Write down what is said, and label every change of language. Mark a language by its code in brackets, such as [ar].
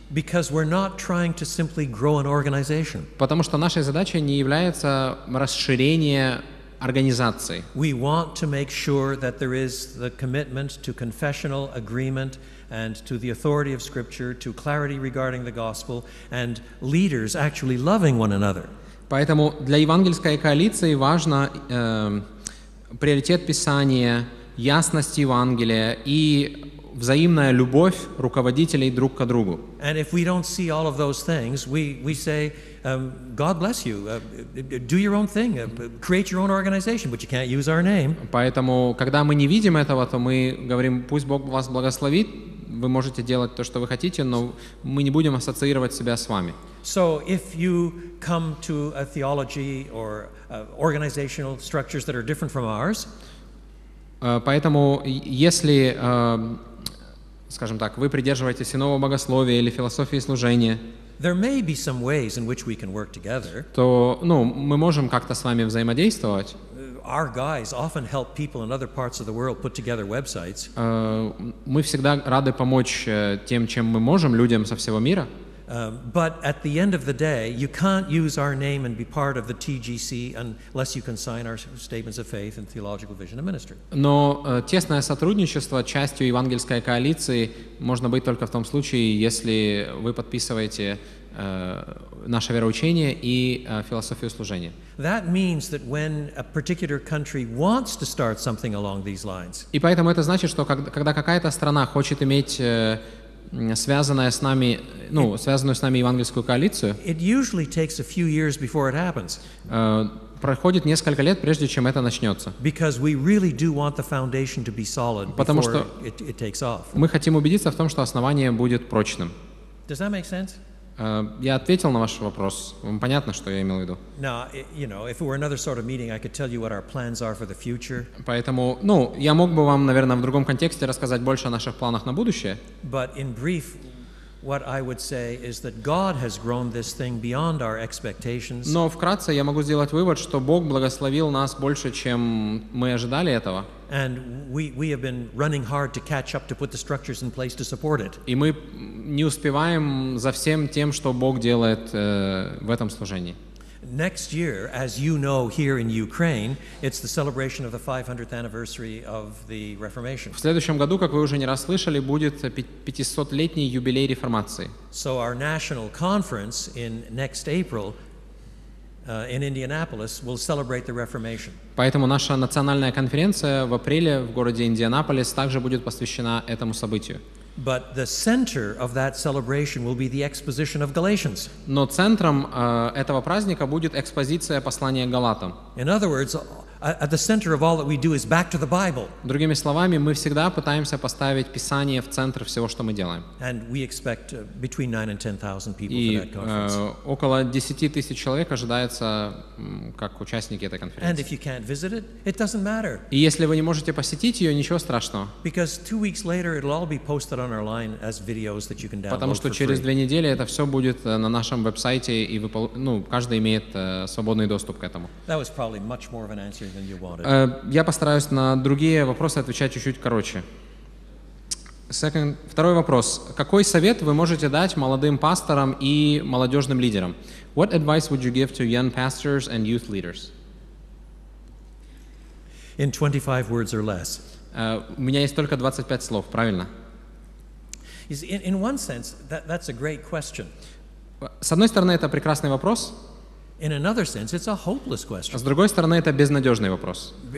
[en] Because we're not trying to simply grow an organization. [ru] Потому что нашей задачей не является расширение организации. [en] We want to make sure that there is the commitment to confessional agreement and to the authority of Scripture, to clarity regarding the gospel, and leaders actually loving one another. [ru] Поэтому для евангельской коалиции важно приоритет Писания, ясность Евангелия и взаимная любовь руководителей друг к другу. [en] And if we don't see all of those things, we say, God bless you, do your own thing, create your own organization, but you can't use our name. [ru] Поэтому, когда мы не видим этого, то мы говорим, пусть Бог вас благословит, вы можете делать то, что вы хотите, но мы не будем ассоциировать себя с вами. [en] So if you come to a theology or organizational structures that are different from ours, [ru] Поэтому, если, скажем так, вы придерживаетесь иного богословия или философии служения, [en] there may be some ways in which we can work together. [ru] То, ну, мы можем как-то с вами взаимодействовать. [en] Our guys often help people in other parts of the world put together websites. [ru] Мы всегда рады помочь тем, чем мы можем, людям со всего мира. [en] But at the end of the day, you can't use our name and be part of the TGC unless you can sign our statements of faith and theological vision of ministry. [ru] Но тесное сотрудничество частью евангельской коалиции можно быть только в том случае, если вы подписываете наше вероучение и философию служения. [en] That means that when a particular country wants to start something along these lines. [ru] И поэтому это значит, что когда какая-то страна хочет иметь связанная с нами, ну, связанную с нами евангельскую коалицию. [en] It usually takes a few years before it happens. [ru] Проходит несколько лет, прежде чем это начнется. [en] Because we really do want the foundation to be solid before it takes off. [ru] Мы хотим убедиться в том, что основание будет прочным. [en] Does that make sense? [ru] Я ответил на ваш вопрос. Вам понятно, что я имел в виду? [en] Now, you know, if it were another sort of meeting, I could tell you what our plans are for the future. [ru] Поэтому, ну, я мог бы вам, наверное, в другом контексте рассказать больше о наших планах на будущее. [en] But in brief, what I would say is that God has grown this thing beyond our expectations. [ru] Но вкратце я могу сделать вывод, что Бог благословил нас больше, чем мы ожидали этого. [en] And we have been running hard to catch up to put the structures in place to support it. [ru] И мы не успеваем за всем тем, что Бог делает в этом служении. [en] Next year, as you know, here in Ukraine, it's the celebration of the 500th anniversary of the Reformation. [ru] В следующем году, как вы уже не раз слышали, будет 500-летний юбилей реформации. [en] So our national conference in next April in Indianapolis will celebrate the Reformation. [ru] Поэтому наша национальная конференция в апреле в городе Индианаполис также будет посвящена этому событию. [en] But the center of that celebration will be the exposition of Galatians. [ru] Но центром этого праздника будет экспозиция послания Галатам. [en] In other words, at the center of all that we do is back to the Bible. [ru] Другими словами, мы всегда пытаемся поставить Писание в центр всего, что мы делаем. [en] And we expect between 9 and 10,000 people [ru] И, [en] for that conference. [ru] Около 10,000 человек ожидается как участники этой конференции. [en] And if you can't visit it, it doesn't matter. [ru] И если вы не можете посетить ее, ничего страшного. [en] Because 2 weeks later, it'll all be posted on our line as videos that you can download. [ru] Потому что через две недели это все будет на нашем веб-сайте, и вы, ну, каждый имеет свободный доступ к этому. [en] That was probably much more of an answer. [ru] Я постараюсь на другие вопросы отвечать чуть-чуть короче. Второй вопрос. Какой совет вы можете дать молодым пасторам и молодежным лидерам? [en] What advice would you give to young pastors and youth leaders? In 25 words or less. [ru] У меня есть только 25 слов, правильно? [en] In one sense, that's a great question. [ru] С одной стороны, это прекрасный вопрос. [en] In another sense, it's a hopeless question. [ru] С другой стороны, это безнадежный вопрос.